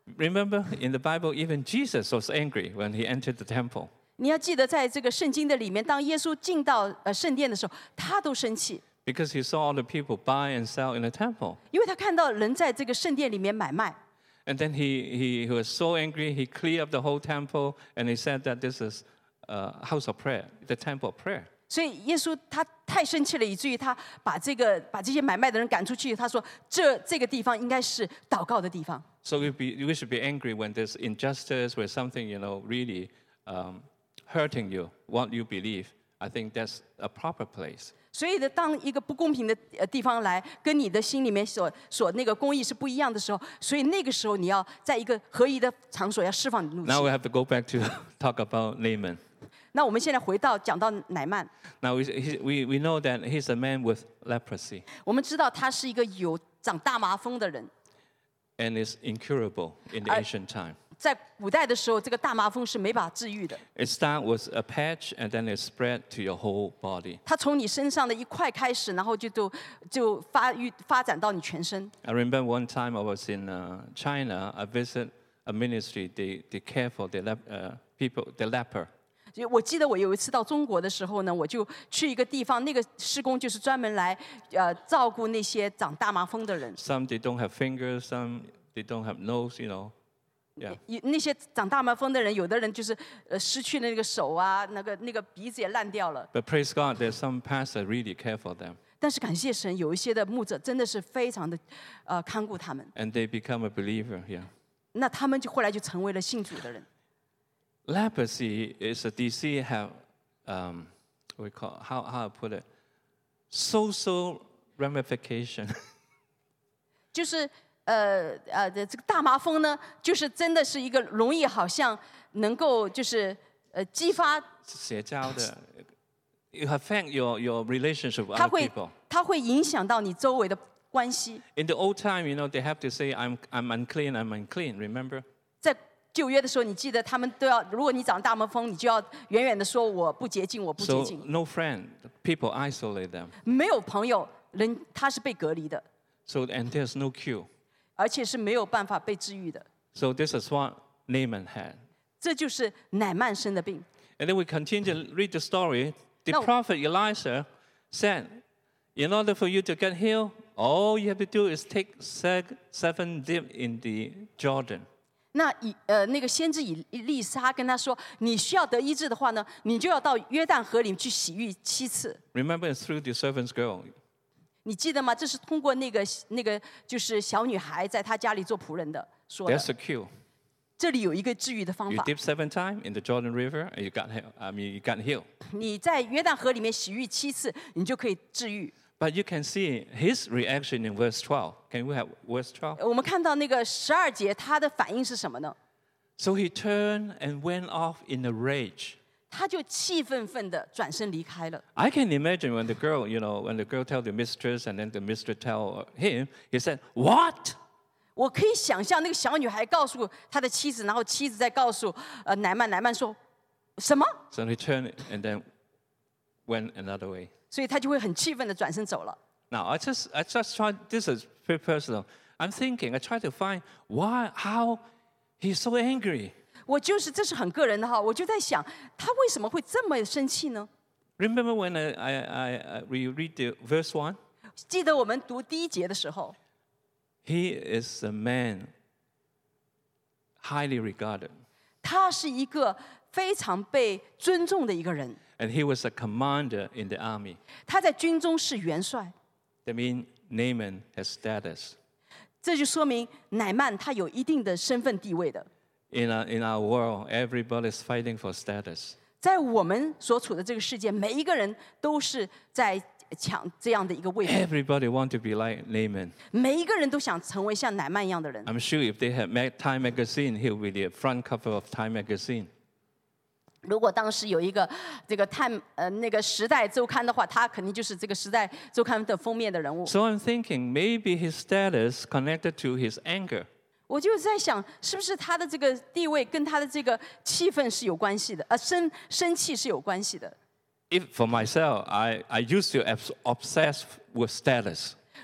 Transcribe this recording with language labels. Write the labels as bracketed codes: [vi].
[en] Remember, in the Bible, even Jesus was angry when he entered the temple. [zh] 你要记得在这个圣经的里面当耶稣进到圣殿的时候他都生气 [en] Because he saw all the people buy and sell in the temple [zh] 因为他看到人在这个圣殿里面买卖 [en] And then he was so angry he cleared up the whole temple and he said that this is a house of prayer the temple of prayer [zh] 所以耶稣他太生气了以至于他把这个把这些买卖的人赶出去他说这个地方应该是祷告的地方 [en] So we should be angry when there's injustice when something you know really hurting you, what you believe, I think that's a proper place. [zh] 所以当一个不公平的地方来跟你的心里面所那个公义是不一样的时候所以那个时候你要在一个合一的场所要释放你的怒气。 [en] Now we have to go back to talk about Naaman. [zh] 那我们现在回到讲到乃曼。 [en] Now we know that he's a man with leprosy. [zh] 我们知道他是一个有长大麻风的人。 [en] And is incurable in the ancient time. [zh] 在古代的时候，这个大麻风是没法治愈的。 [en] It starts with a patch, and then it spread to your whole body. [zh] 它从你身上的一块开始，然后就发展到你全身。 [en] I remember one time I was in China. I visit a ministry. They care for the people, the leper. [zh] 我记得我有一次到中国的时候呢，我就去一个地方，那个施工就是专门来照顾那些长大麻风的人。 [en] Some they don't have fingers. Some they don't have nose. You know. Yeah. [zh] 那些长大麻风的人，有的人就是失去了那个手啊，那个鼻子也烂掉了。 [en] But praise God, there's some pastor really care for them. [zh] 但是感谢神，有一些的牧者真的是非常的看顾他们。 [en] And they become a believer, yeah. [zh] 那他们就后来就成为了信主的人。 [en] Leprosy is a disease have we call how I put it social ramification. [zh] 就是。这个大麻风呢，就是真的是一个容易好像能够就是激发社交的 [en] ，you affect your relationship with other people. [zh] 它会影响到你周围的关系。 [en] In the old time, you know, they have to say I'm unclean, I'm unclean. Remember? [zh] 在旧约的时候，你记得他们都要，如果你长大麻风，你就要远远的说我不洁净，我不洁净。 [en] So no friend, people isolate them. [zh] 没有朋友，人他是被隔离的。 [en] So and there's no cure. [zh] 而且是没有办法被治愈的。 [en] So this is what Naaman had. [zh] 这就是乃曼生的病。 [en] And then we continue to read the story. The prophet Elisha said, "In order for you to get healed, all you have to do is take seven dip in the Jordan." [zh] 那个先知以利沙跟他说，你需要得医治的话呢，你就要到约旦河里去洗浴七次。 [en] Remember it's through the servant's girl. [zh] 你记得吗？这是通过那个就是小女孩在她家里做仆人的说的。 [en] That's a cure. [zh] 这里有一个治愈的方法。 [en] You dip seven times in the Jordan River, and you got healed. I mean, you got healed. [zh] 你在约旦河里面洗浴七次，你就可以治愈。 [en] But you can see his reaction in verse 12. Can we have verse 12? [zh] 我们看到那个十二节，他的反应是什么呢 [en] ？So he turned and went off in a rage. [zh] 他就气愤愤地转身离开了。 [en] I can imagine when the girl, you know, when the girl tell the mistress and then the mistress tell him, he said, "What?" [zh] 我可以想象那个小女孩告诉她的妻子，然后妻子再告诉乃曼，乃曼说什么 [en] ？So he turned and then went another way. [zh] 所以他就会很气愤地转身走了。 [en] Now I just try. This is very personal. I'm thinking. I try to find why, how he's so angry. [zh] 我就是，这是很个人的哈。我就在想，他为什么会这么生气呢 [en] ？Remember when I read the verse one? [zh] 记得我们读第一节的时候。 [en] He is a man highly regarded. [zh] 他是一个非常被尊重的一个人。 [en] And he was a commander in the army. [zh] 他在军中是元帅。 [en] That means Naaman has status. [zh] 这就说明乃曼他有一定的身份地位的。 [en] In our world, everybody is fighting for status. [zh] 在我们所处的这个世界，每一个人都是在抢这样的一个位置。 [en] Everybody want to be like Naaman. [zh] 每一个人都想成为像乃曼一样的人。 [en] I'm sure if they had Time magazine, he would be the front cover of Time magazine. [zh] 如果当时有一个这个 Time 那个时代周刊的话，他肯定就是这个时代周刊的封面的人物。 [en] So I'm thinking maybe his status connected to his anger. [zh] 我就在想，是不是他的这个地位跟他的这个气氛是有关系的？生气是有关系的。 [en] If for myself, I used to obsess with status.